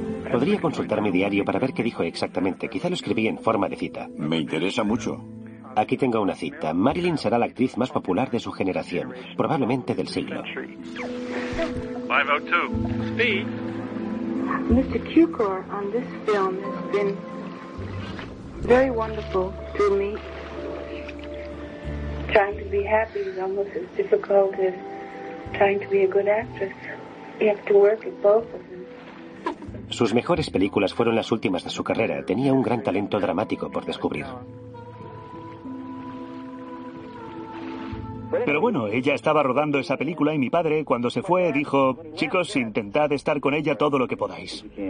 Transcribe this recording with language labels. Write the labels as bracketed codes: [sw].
[es] Podría consultar mi diario para ver qué dijo exactamente. Quizá lo escribí en forma de cita. Me interesa mucho. Aquí tengo una cita. Marilyn será la actriz más popular de su generación, probablemente del siglo. 502. [en] Speed. Mr. Cukor on this film has been very wonderful to me. Trying to be happy is almost as difficult as trying to be a good actress. You have to work at both of them. [es] Sus mejores películas fueron las últimas de su carrera. Tenía un gran talento dramático por descubrir. Pero bueno, ella estaba rodando esa película y mi padre, cuando se fue, dijo: chicos, intentad estar con ella todo lo que podáis.